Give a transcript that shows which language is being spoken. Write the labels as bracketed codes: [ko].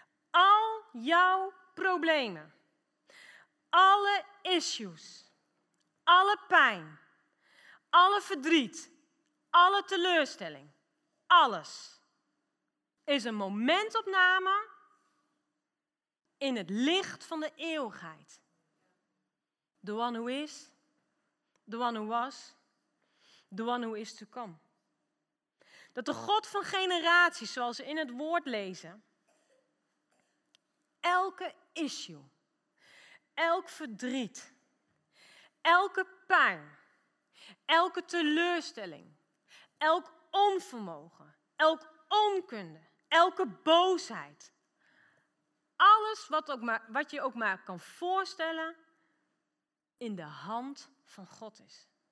[nl] Al jouw problemen, alle issues, alle pijn, alle verdriet, alle teleurstelling, alles is een momentopname in het licht van de eeuwigheid. [en] The one who is, the one who was, the one who is to come. [nl] Dat de God van generaties, zoals we in het woord lezen, elke issue, elk verdriet, elke pijn, elke teleurstelling, elk onvermogen, elk onkunde, elke boosheid, alles wat je ook maar kan voorstellen, in de hand van God is.